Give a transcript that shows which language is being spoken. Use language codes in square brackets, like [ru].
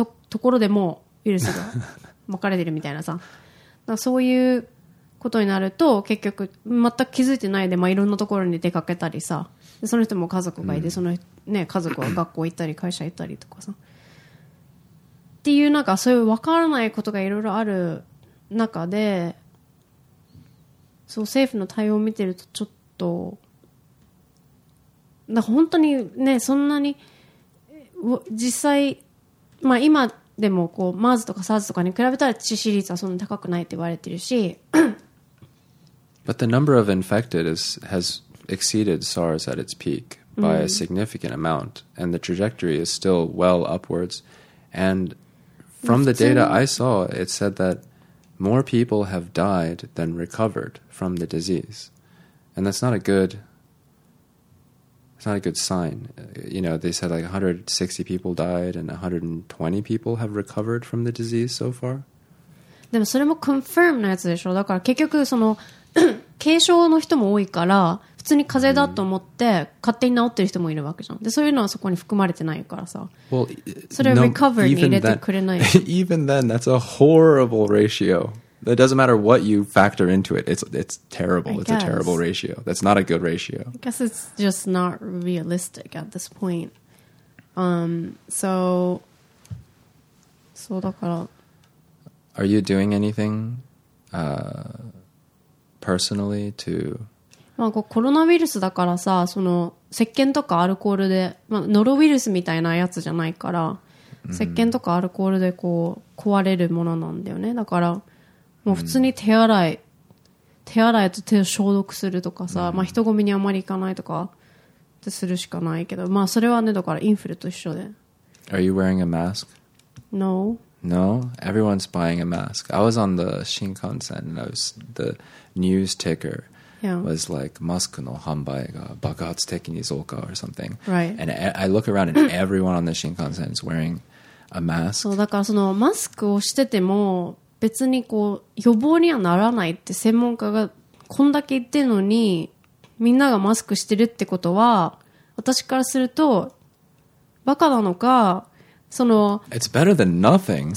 [ja] ところでもうウイルスが巻かれてるみたいなさ、だそういうことになると結局全く気づいてないで、まあ、いろんなところに出かけたりさ、でその人も家族がいて、その、ね、家族は学校行ったり会社行ったりとかさ、っていうなんかそういう分からないことがいろいろある中で、そう政府の対応を見てるとちょっとなんか本当にね、そんなに実際、まあ、今でもこう MERS とか SARS とかに比べたら致死率はそんなに高くないって言われてるし、 [en] But the number of infected has exceeded SARS at its peak by a significant amount, and the trajectory is still well upwards. And from the data I saw, it said that more people have died than recovered from the disease, and that's not a good, it's not a good sign. You know, they said like 160 people died and 120 people have recovered from the disease so far. [ja] でもそれも confirm のやつでしょ。だから結局その軽症の人も多いから、普通に風邪だと思って勝手に治ってる人もいるわけじゃん。でそういうのはそこに含まれてないからさ。 [en] Well, [ja] それを recover に入れてくれない。 [en] Even then, that's a horrible ratio. It doesn't matter what you factor into it. It's terrible. It's a terrible ratio. That's not a good ratio. I guess it's just not realistic at this point. [ja] So だから。 [en] Are you doing anything personally to? [ja] まあこうコロナウイルスだからさ、その石鹸とかアルコールで、まあノロウイルスみたいなやつじゃないから、石鹸とかアルコールでこう壊れるものなんだよね。だから。もう普通に手洗いと手を消毒するとかさ、まあ、人混みにあまり行かないとかってするしかないけど、まあそれはね、だからインフルと一緒で。 [en] Are you wearing a mask? No. No, everyone's buying a mask. I was on the Shinkansen and I was, the news ticker was like, [ja] masku no hanbai ga bakatsuteki ni zouka [en] or something. Right. And I look around and everyone on the Shinkansen is wearing a mask. [ja] So, だからそのマスクをしてても別にこう予防にはならないって専門家がこんだけ言ってるのにみんながマスクしてるってことは私からするとバカなのかその [en] It's better than nothing.